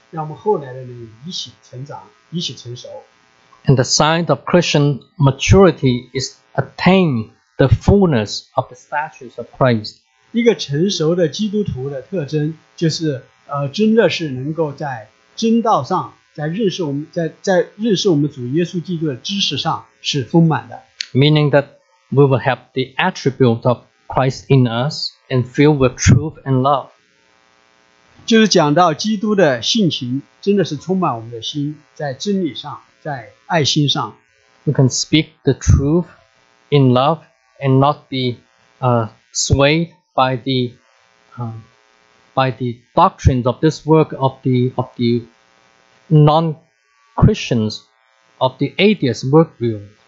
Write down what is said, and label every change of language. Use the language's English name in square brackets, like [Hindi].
[Chinese] 那么我们在成长的过程里头，我们成熟的过程里头，我们可以帮助其他的人，也以从我们的失败的经验或者我们成功的经验里面，让我们后来的人一起成长，一起成熟。 [English] And the sign of Christian maturity is attain the fullness of the statues of Christ. [Chinese] 一个成熟的基督徒的特征就是真的是能够在真道上。在认识我们主耶稣基督的知识上是丰满的。 [English] Meaning that we will have the attribute of Christ in us and filled with truth and love. [Chinese] 就是讲到基督的性情真的是充满我们的心，在真理上，在爱心上。 [English] We can speak the truth in love and not be swayed by the doctrines of this work of the non-Christians of the atheist worldview.